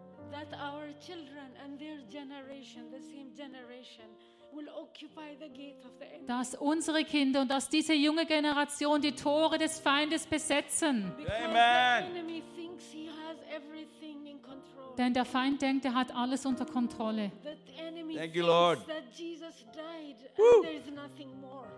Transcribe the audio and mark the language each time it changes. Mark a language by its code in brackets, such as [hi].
[en] That our children and their generation, the same generation, will occupy the gate of the enemy. [de] Dass unsere Kinder und dass diese junge Generation die Tore des Feindes besetzen. [en] Because Amen. The enemy thinks he has everything in control. [de] Denn der Feind denkt, er hat alles unter Kontrolle. [en] Thank you, Lord. That Jesus died and there is nothing more.